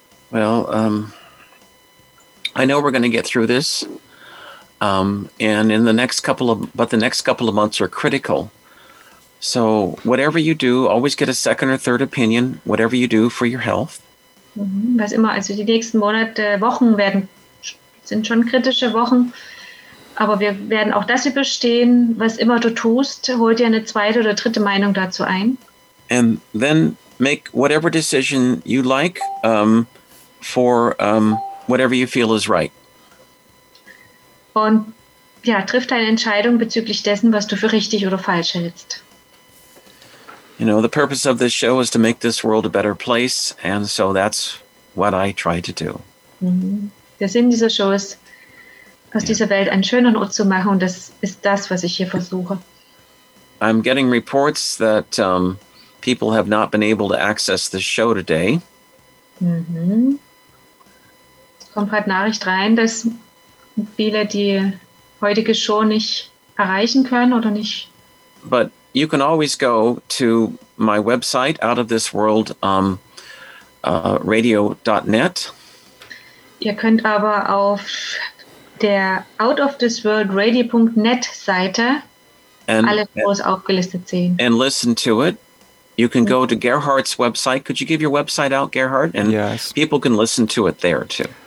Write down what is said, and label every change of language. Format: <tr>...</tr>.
<en>Well, I know we're gonna get through this. The next couple of months are critical. So whatever you do, always get a second or third opinion, whatever you do for your health.</en> <de>Was immer, also die nächsten Monate, Wochen sind schon kritische Wochen, aber wir werden auch das überstehen, was immer du tust, hol dir eine zweite oder dritte Meinung dazu ein.</de> <en>And then make whatever decision you like, for whatever you feel is right.</en> <de>Und ja, triff deine Entscheidung bezüglich dessen, was du für richtig oder falsch hältst.</de> <en>You know, the purpose of this show is to make this world a better place, and so that's what I try to do.</en> <de>Der Sinn dieser Show ist, aus dieser Welt einen schöneren Ort zu machen, und das ist das, was ich hier versuche.</de> <en>I'm getting reports that people have not been able to access this show today.</en> <de>Es kommt gerade Nachricht rein, dass viele die heutige Show nicht erreichen können oder nicht.</de> <en>But you can always go to my website outofthisworldradio.net.</en> <de>Ihr könnt aber auf der outofthisworldradio.net Seite alle Shows aufgelistet sehen.</de> <en>And listen to it. You can go to Gerhard's website. Could you give your website out, Gerhard? And yes. People can listen to it there too.</en>